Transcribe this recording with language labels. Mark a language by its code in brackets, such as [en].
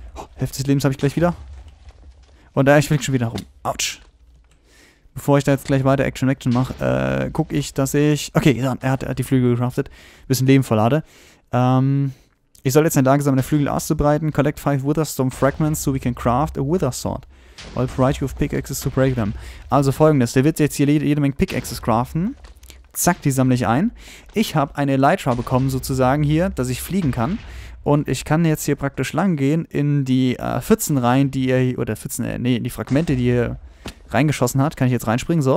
[de] Oh, Hälfte des Lebens habe ich gleich wieder. Und ich fliege schon wieder rum. Autsch. Bevor ich da jetzt gleich weiter Action mache, gucke ich, dass ich. Okay, dann, er hat die Flügel gecraftet. Bisschen Leben verlade. Ich soll jetzt in der Lage sein, meine Flügel auszubreiten. [en] Collect 5 Witherstorm Fragments so we can craft a Wither Sword. All variety of Pickaxes to break them. [de] Also folgendes: Der wird jetzt hier jede Menge Pickaxes craften. Zack, die sammle ich ein. Ich habe eine Elytra bekommen, sozusagen hier, dass ich fliegen kann. Und ich kann jetzt hier praktisch lang gehen in die Pfützen rein, die er hier, oder Pfützen, nee, in die Fragmente, die er reingeschossen hat, kann ich jetzt reinspringen, so.